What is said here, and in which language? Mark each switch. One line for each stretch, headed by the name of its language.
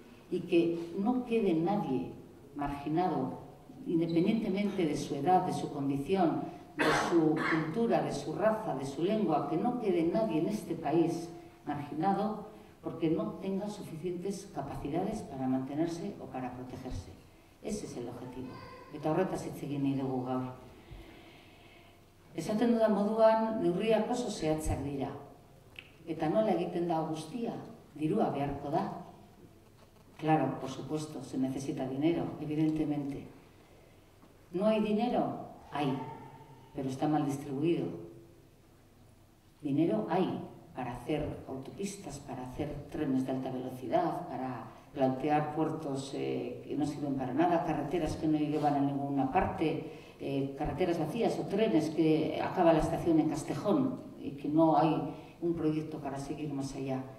Spanish: y que no quede nadie marginado, independientemente de su edad, de su condición, de su cultura, de su raza, de su lengua, que no quede nadie en este país marginado porque no tenga suficientes capacidades para mantenerse o para protegerse. Ese es el objetivo.
Basque: Eta horretaz hitz egin nahi dugu gaur. Esaten dudan moduan, neurriak oso zehatzak dira. Eta nola egiten da guztia, dirua beharko da.
Spanish: Claro, por supuesto, se necesita dinero, evidentemente. ¿No hay dinero? Hay, pero está mal distribuido. Dinero hay para hacer autopistas, para hacer trenes de alta velocidad, para plantear puertos que no sirven para nada, carreteras que no llevan a ninguna parte, carreteras vacías o trenes que acaba la estación en Castejón y que no hay un proyecto para seguir más allá.